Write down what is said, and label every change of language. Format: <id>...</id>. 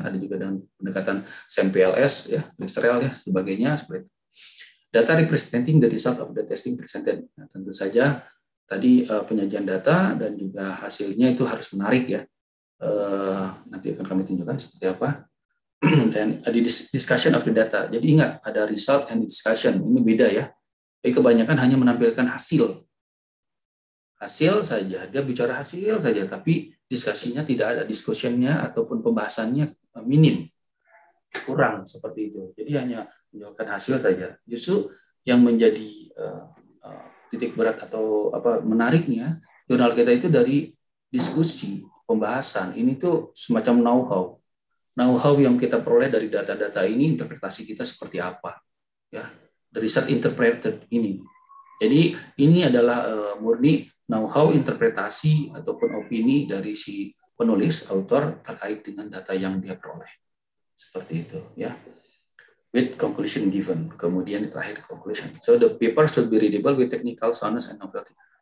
<id>Ada juga dengan pendekatan SEMPLS ya, Listrel ya, sebagainya.</id> <en>Data representing the result of the testing presented.</en> <id>Nah, tentu saja tadi penyajian data dan juga hasilnya itu harus menarik ya. Nanti akan kami tunjukkan seperti apa. Dan ada discussion of the data. Jadi ingat, ada result and discussion. Ini beda ya. Tapi kebanyakan hanya menampilkan hasil. Hasil saja. Dia bicara hasil saja, tapi diskusinya tidak ada. Discussion-nya ataupun pembahasannya minim. Kurang seperti itu. Jadi hanya menunjukkan hasil saja. Justru yang menjadi titik berat atau apa menariknya, jurnal kita itu dari diskusi, pembahasan. Ini tuh semacam know-how. Know-how yang kita peroleh dari data-data ini, interpretasi kita seperti apa. Ya, the result interpreted ini. Jadi ini adalah murni know-how, interpretasi, ataupun opini dari si penulis, author, terkait dengan data yang dia peroleh. Seperti itu. Ya. With conclusion given. Kemudian terakhir, conclusion.</id> <en>So the paper should be readable with technical soundness and novelty.</en>